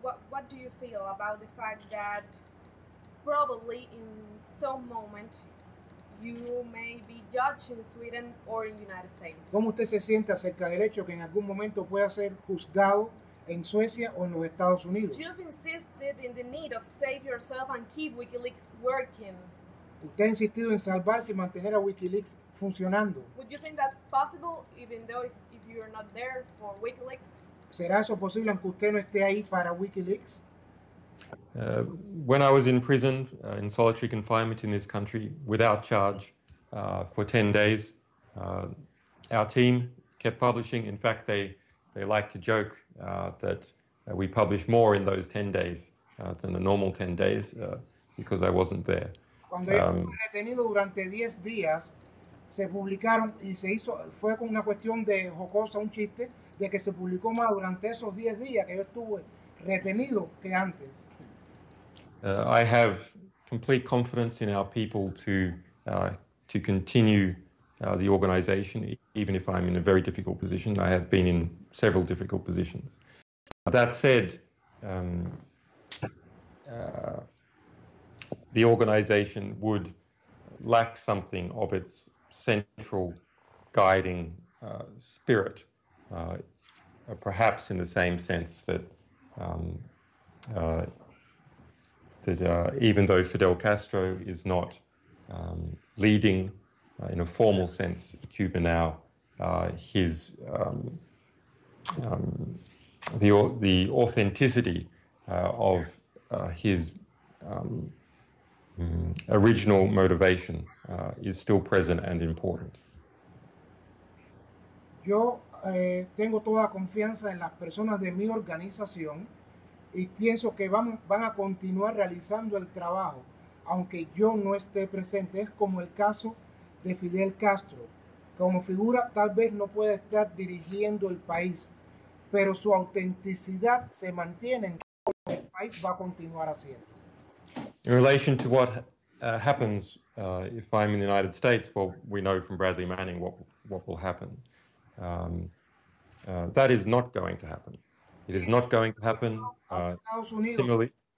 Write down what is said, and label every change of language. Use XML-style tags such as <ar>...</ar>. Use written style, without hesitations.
<en>What do you feel about the fact that probably in some moment you may be judged in Sweden or in the United States?</en> <es>¿Cómo usted se siente acerca del hecho que en algún momento pueda ser juzgado en Suecia o en los Estados Unidos?</es> <en>You've insisted in the need of save yourself and keep WikiLeaks working.</en> <es>¿Usted ha insistido en salvarse y mantener a WikiLeaks funcionando?</es> <en>Would you think that's possible even though if you're not there for WikiLeaks?</en> <es>¿Será eso posible aunque usted no esté ahí para WikiLeaks?</es> <en>When I was in prison, in solitary confinement in this country, without charge, for 10 days, our team kept publishing. In fact, they like to joke that we publish more in those 10 days than the normal 10 days because I wasn't there.</en> <es>Cuando yo fui detenido durante 10 días, se publicaron y se hizo, fue con una cuestión de jocosa, un chiste, de que se publicó más durante esos 10 días que yo estuve retenido que antes.</es> <en>I have complete confidence in our people to continue the organization, even if I'm in a very difficult position. I have been in several difficult positions. That said, the organization would lack something of its central guiding spirit, perhaps in the same sense that even though Fidel Castro is not leading in a formal sense Cuba now, his the authenticity of his original motivation is still present and important.</en> <es>Yo tengo toda confianza en las personas de mi organización. Y pienso que van a continuar realizando el trabajo, aunque yo no esté presente. Es como el caso de Fidel Castro. Como figura, tal vez no pueda estar dirigiendo el país, pero su autenticidad se mantiene. El país va a continuar haciendo.</es> <en>In relation to what happens if I'm in the United States, well, we know from Bradley Manning what will happen. That is not going to happen. It is not going to happen.</en>